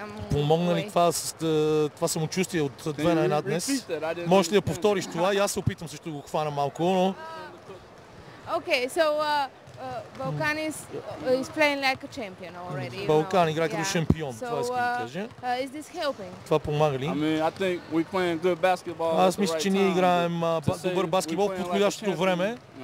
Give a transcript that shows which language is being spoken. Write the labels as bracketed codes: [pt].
[bg] Помогна ли това самочувствие от 2 на 1 днес? Можеш ли да повториш това? И аз се опитам също да го хвана малко, но... [en] Окей, so... Balkan is playing like a champion already. [bg] Balkan играе като шампион, това искам да кажа. [en] Is this helping? [bg] Това помага ли? [en] I mean, I think we playing good basketball. [bg] Аз мисля, че ние играем добър баскетбол в подходящото време.